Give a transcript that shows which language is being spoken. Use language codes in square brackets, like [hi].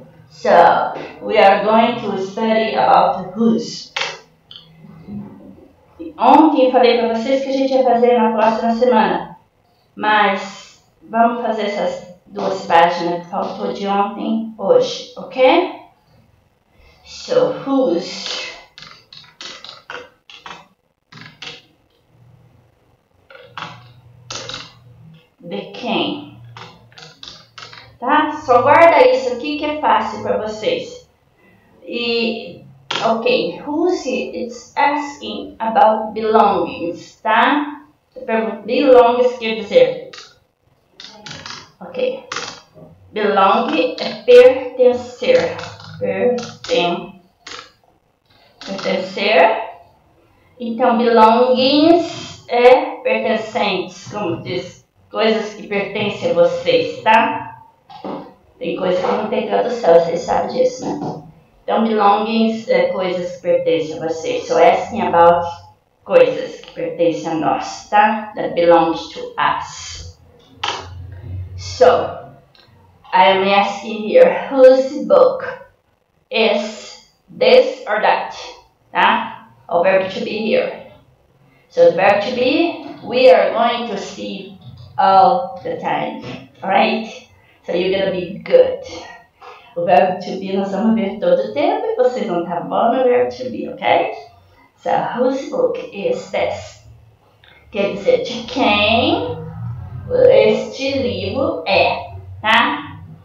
[en] So, we are going to study about who's. [pt] Ontem eu falei para vocês que a gente ia fazer na próxima semana. Mas vamos fazer essas duas páginas que faltou de ontem hoje, ok? [en] So, who's? [pt] De quem? Tá? Só guarda isso aqui que é fácil para vocês. [en] E, ok, who's it's asking about belongings, tá? [pt] Belongings quer dizer. Ok. Belong é pertencer. Pertencer. Então, belongings é pertencentes, como diz. Coisas que pertencem a vocês, tá? Tem coisa que não tem tradução, vocês sabem disso, né? Então, belongings é coisas que pertencem a vocês. [en] So, asking about [pt] coisas que pertencem a nós, tá? [en] That belongs to us. So, I am asking here, whose book is this or that? Tá? [pt] O verbo [en] to be here. So, the verb to be, we are going to see all the time, right? So you're gonna be good. [pt] O verbo to be nós vamos ver todo o tempo e vocês vão estar bom no verbo to be, ok? [en] So whose book is this? [pt] Quer dizer, de quem este livro é, tá?